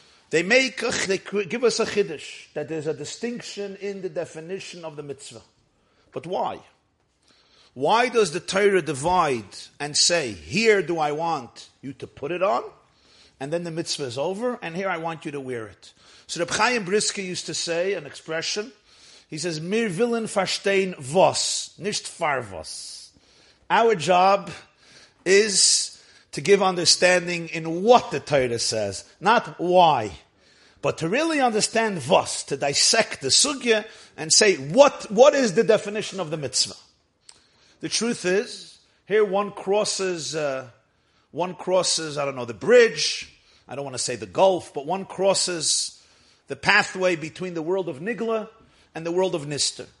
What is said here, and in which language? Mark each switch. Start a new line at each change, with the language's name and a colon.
English: They give us a chiddush that there's a distinction in the definition of the mitzvah. But why? Why does the Torah divide and say, here do I want you to put it on, and then the mitzvah is over, and here I want you to wear it? So Reb Chaim Brisker used to say an expression.
Yiddish: He says, Mir willen verstehen was, nicht far was.
English: Our job is to give understanding in what the Torah says, not why. But to really understand vos, to dissect the sugya and say, what is the definition of the mitzvah? The truth is, here one crosses, I don't know, the bridge, I don't want to say the gulf, but one crosses the pathway between the world of Nigla and the world of Nistar.